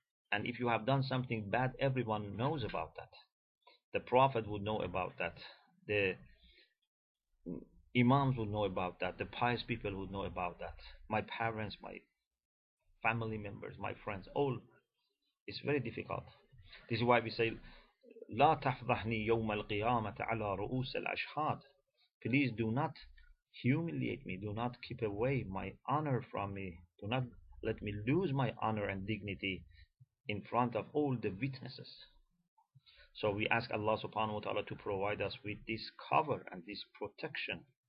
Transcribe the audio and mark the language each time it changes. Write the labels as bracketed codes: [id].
[en] And if you have done something bad, everyone knows about that. The Prophet would know about that. The Imams would know about that. The pious people would know about that. My parents, my family members, my friends, all. It's very difficult. This is why we say, [ar] لا تفضحني يوم القيامة على رؤوس الأشهاد. [en] Please do not humiliate me. Do not keep away my honor from me. Do not let me lose my honor and dignity in front of all the witnesses. So we ask Allah subhanahu wa ta'ala to provide us with this cover and this protection.